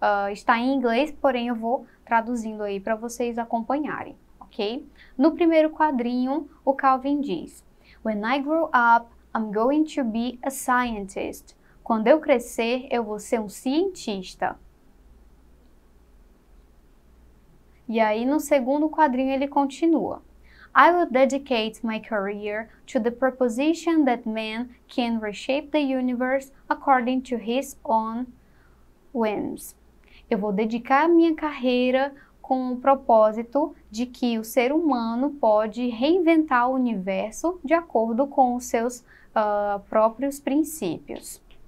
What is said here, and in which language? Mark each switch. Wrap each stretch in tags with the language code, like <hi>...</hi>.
<pt>Está em inglês, porém eu vou traduzindo aí para vocês acompanharem, ok? No primeiro quadrinho, o Calvin diz:</pt> <en>When I grow up, I'm going to be a scientist.</en> <pt>Quando eu crescer, eu vou ser um cientista. E aí, no segundo quadrinho, ele continua:</pt> <en>I will dedicate my career to the proposition that man can reshape the universe according to his own whims.</en> <pt>Eu vou dedicar minha carreira com o propósito de que o ser humano pode reinventar o universo de acordo com os seus próprios princípios.</pt>